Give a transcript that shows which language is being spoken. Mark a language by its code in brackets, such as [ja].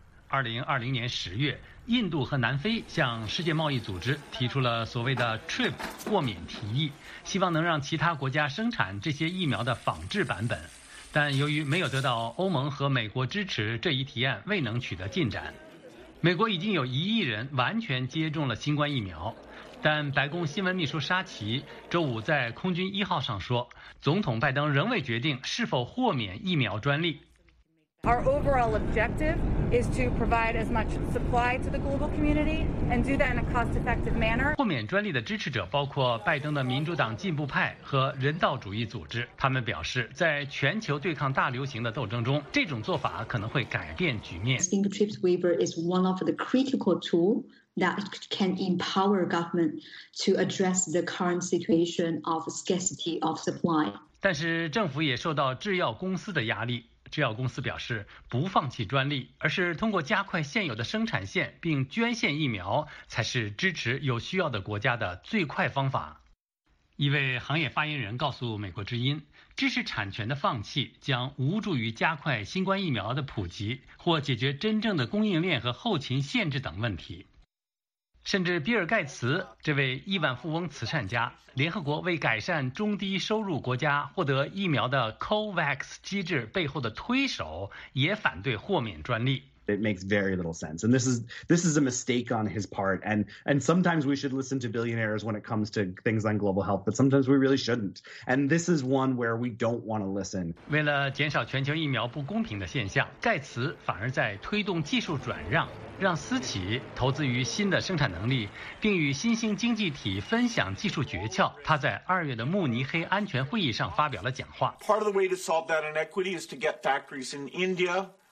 [zh] 2020年10月，印度和南非向世界贸易组织提出了所谓的 TRIP 豁免提议，希望能让其他国家生产这些疫苗的仿制版本，但由于没有得到欧盟和美国支持，这一提案未能取得进展。美国已经有1亿人完全接种了新冠疫苗，但白宫新闻秘书沙奇周五在空军一号上说，总统拜登仍未决定是否豁免疫苗专利。 [en] Our overall objective is to provide as much supply to the global community and do that in a cost-effective manner. [zh] 豁免专利的支持者包括拜登的民主党进步派和人道主义组织，他们表示，在全球对抗大流行的斗争中，这种做法可能会改变局面。 [en] I think TRIPS waiver is one of the critical tools that can empower government to address the current situation of scarcity of supply. [zh] 但是政府也受到制药公司的压力。制药公司表示不放弃专利，而是通过加快现有的生产线并捐献疫苗才是支持有需要的国家的最快方法。一位行业发言人告诉美国之音，知识产权的放弃将无助于加快新冠疫苗的普及或解决真正的供应链和后勤限制等问题。甚至比尔盖茨这位亿万富翁慈善家，联合国为改善中低收入国家获得疫苗的 COVAX 机制背后的推手，也反对豁免专利。 [en] It makes very little sense, and this is a mistake on his part. And sometimes we should listen to billionaires when it comes to things on global health, but sometimes we really shouldn't. And this is one where we don't want to listen. [zh] 为了减少全球疫苗不公平的现象，盖茨反而在推动技术转让，让私企投资于新的生产能力，并与新兴经济体分享技术诀窍。他在2月的慕尼黑安全会议上发表了讲话。 [en] Part of the way to solve that inequity is to get factories in India.